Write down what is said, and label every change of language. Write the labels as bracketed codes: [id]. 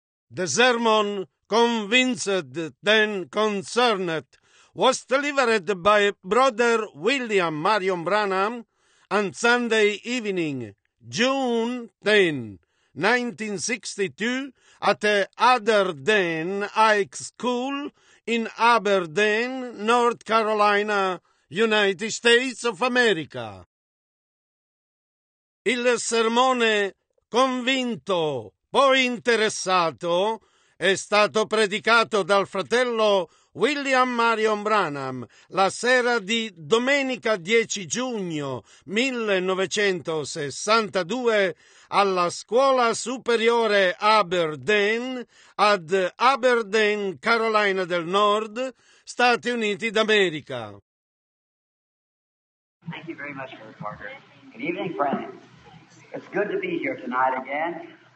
[en] The sermon convinced then concerned was delivered by Brother William Marion Branham on Sunday evening, June 10, 1962, at Aberdeen High School in Aberdeen, North Carolina, United States of America. [it] Il sermone convinto, poi interessato, è stato predicato dal fratello William Marion Branham la sera di domenica 10 giugno 1962 alla Scuola Superiore Aberdeen ad Aberdeen, Carolina del Nord, Stati Uniti d'America. [en] Thank you very much, Brother Parker. Good evening, friends. It's good to be here tonight again.